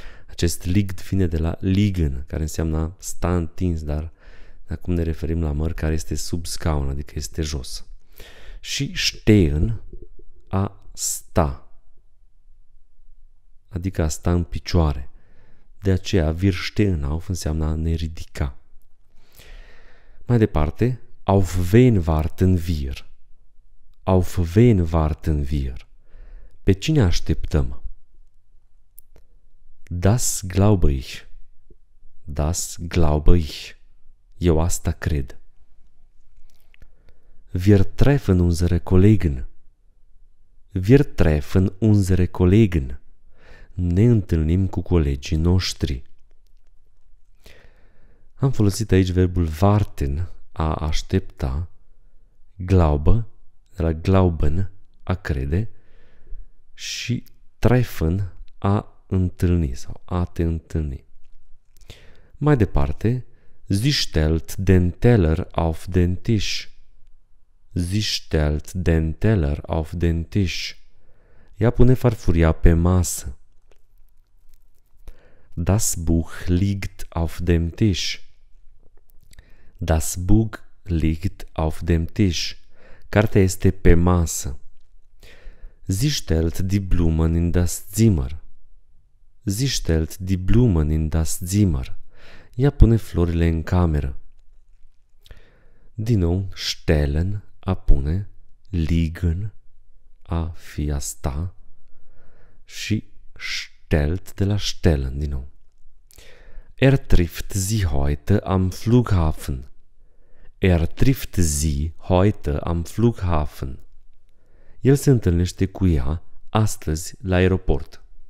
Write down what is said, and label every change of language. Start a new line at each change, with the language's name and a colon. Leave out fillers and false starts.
Romanian: Acest liegt vine de la liegen, care înseamnă sta întins, dar acum ne referim la măr care este sub scaun, adică este jos. Și stehen, a sta, adică a sta în picioare. De aceea, wir stehen auf înseamnă a ne ridica.
German: Mai departe, auf wen warten wir? Auf wen warten wir? Pe cine așteptăm? Das glaube ich. Das glaube ich. Eu asta cred. Wir treffen unsere Kollegen. Wir treffen unsere Kollegen.
Romanian: Ne întâlnim cu colegii noștri. Am folosit aici verbul warten, a aștepta, glaube, de la glauben, a crede, și treffen, a întâlni sau a te întâlni.
German: Mai departe, sie stellt den Teller auf den Tisch. Sie stellt den Teller auf den Tisch.
Romanian: Ea pune farfuria pe masă.
German: Das Buch liegt auf dem Tisch. Das Buch liegt auf dem Tisch. Cartea este pe masă. Sie stellt die Blumen in das Zimmer. Sie stellt die Blumen in das Zimmer.
Romanian: Ea pune florile în cameră. Din nou, stellen, a pune, liegen, a fi, a sta, și stellt, de la stellen, din nou.
German: Er trifft sie heute am Flughafen. Er trifft sie heute am Flughafen.
Romanian: El se întâlnește cu ea astăzi la aeroport.